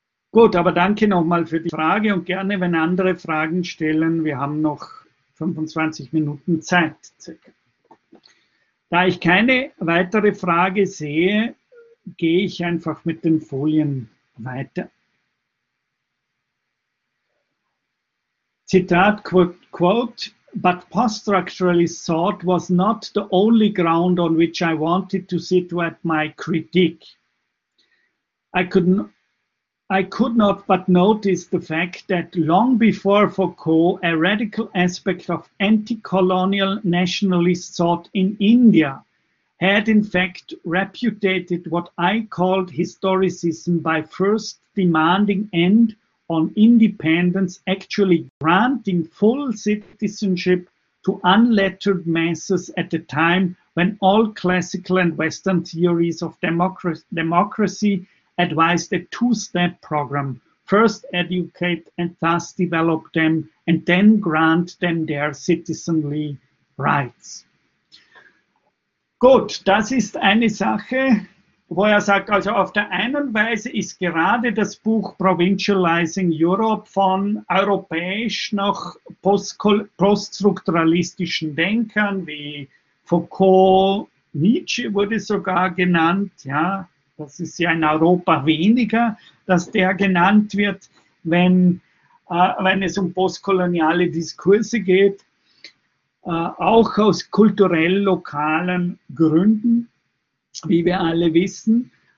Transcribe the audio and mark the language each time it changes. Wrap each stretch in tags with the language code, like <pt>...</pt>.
<de>Gut, aber danke nochmal für die Frage und gerne, wenn andere Fragen stellen, wir haben noch 25 Minuten Zeit. Da ich keine weitere Frage sehe, gehe ich einfach mit den Folien weiter.</de> <en>Zitat, quote, but post-structuralist thought was not the only ground on which I wanted to situate my critique. I could not but notice the fact that long before Foucault, a radical aspect of anti-colonial nationalist thought in India had in fact repudiated what I called historicism by first demanding end on independence, actually granting full citizenship to unlettered masses at a time when all classical and Western theories of democracy advised a two-step program, first educate and thus develop them, and then grant them their citizenly rights.</en> <de>Gut, das ist eine Sache, wo er sagt, also auf der einen Weise ist gerade das Buch Provincializing Europe von europäisch noch poststrukturalistischen Denkern wie Foucault, Nietzsche wurde sogar genannt, ja, das ist ja in Europa weniger, dass der genannt wird, wenn es um postkoloniale Diskurse geht, auch aus kulturell lokalen Gründen, wie wir alle wissen.</de>